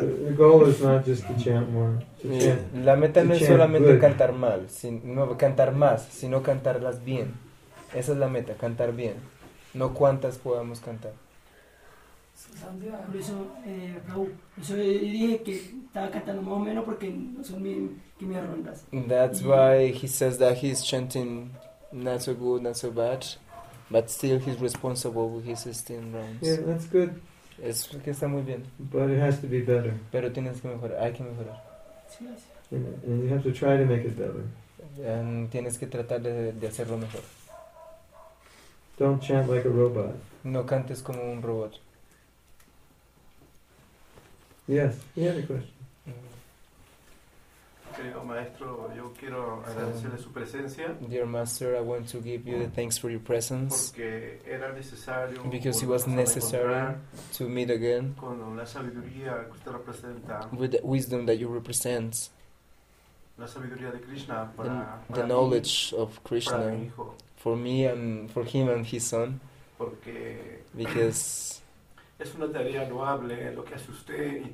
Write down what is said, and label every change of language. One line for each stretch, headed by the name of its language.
English: The goal is not just to chant more.
Spanish: La meta no es solamente cantar mal, sino cantar más, sino cantarlas bien. Esa es la meta, cantar bien. No cuántas podamos cantar. Por eso, Raúl, yo dije que estaba cantando más o menos porque no son mis rondas.
English: That's why he says that he's chanting not so good, not so bad, but still he's responsible with his 16 rounds. Yeah, that's good.
Spanish: Es que está muy bien.
English: But it has to be better.
Spanish: Pero tienes que mejorar, hay que mejorar.
English: And you have to try to make it better.
Spanish: And tienes que tratar de hacerlo mejor.
English: Don't chant like a robot.
Spanish: No cantes como un robot.
English: Yes, you have a question.
Spanish: Okay, maestro, yo quiero agradecerle su presencia.
English: Dear master, I want to give you the thanks for your presence.
Spanish: Porque era necesario.
English: Because it was necessary to meet again.
Spanish: Con la sabiduría que usted representa.
English: With the wisdom that you represent.
Spanish: La sabiduría de Krishna para
English: the knowledge of Krishna
Spanish: para mi hijo.
English: for me and for him and his son.
Spanish: Porque
English: because
Spanish: es una tarea loable lo que hace usted, y